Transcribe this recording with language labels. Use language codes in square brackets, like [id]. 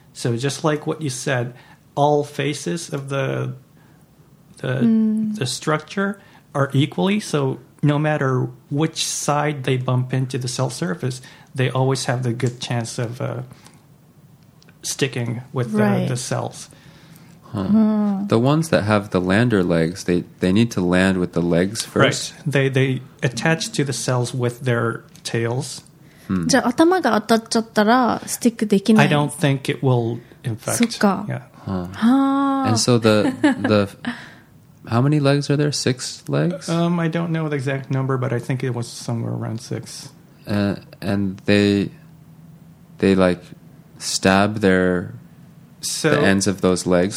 [en] So just like what you said, all faces of the structure are equally, so no matter which side they bump into the cell surface, they always have the good chance of sticking with the cells. Huh. Huh. The ones that have the lander legs, they need to land with the legs first. Right. They attach to the cells with their tails. [ja] じゃあ頭が当たっちゃったらスティックできない? [en] I don't think it will infect. [ja] そっか。 [en] Yeah. Huh. And so the How many legs are there? Six legs? I don't know the exact number, but I think it was somewhere around six. And they like stab their the ends of those legs.